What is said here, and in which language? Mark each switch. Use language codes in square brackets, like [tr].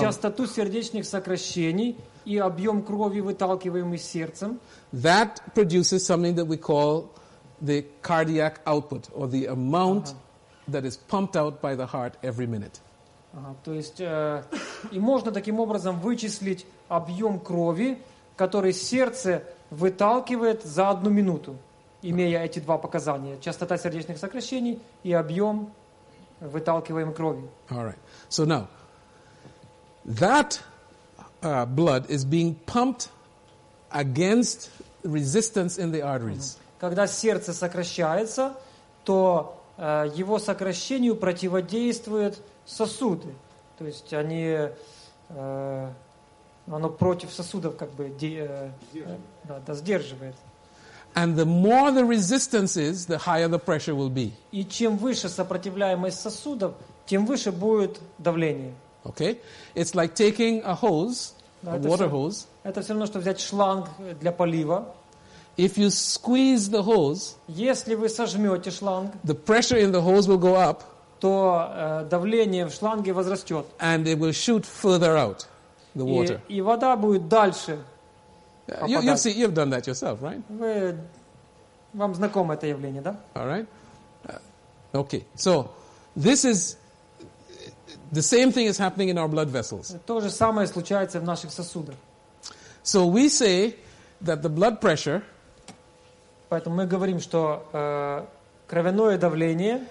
[ru] частоту сердечных сокращений и объем крови, выталкиваемый сердцем, [en] that produces something that we call the cardiac output, or the amount that is pumped out by the heart every minute. [ru] То есть, и можно таким образом вычислить объем крови, который сердце выталкивает за одну минуту, имея эти два показания: частота сердечных сокращений и объем выталкиваемой крови. [en] All right. So now, that blood is being pumped against resistance in the arteries. [ru] Когда сердце сокращается, то его сокращению противодействуют сосуды. То есть они, оно против сосудов как бы сдерживает. [en] And the more the resistance is, the higher the pressure will be. [ru] И чем выше сопротивляемость сосудов, тем выше будет давление. [en] Okay, it's like taking a hose, water hose. [ru] Это все равно, что взять шланг для полива. [en] If you squeeze the hose, [ru] если вы сожмете шланг, [en] the pressure in the hose will go up, [ru] то давление в шланге возрастет, [en] and it will shoot further out the water. [ru] И вода будет дальше. [en] You've done that yourself, right? [ru] Вам знакомо это явление, да? [en] All right. Okay. So this is the same thing is happening in our blood vessels. [ru] То же самое случается в наших сосудах. [en] So we say that the blood pressure. [ru] Поэтому мы говорим, что кровяное давление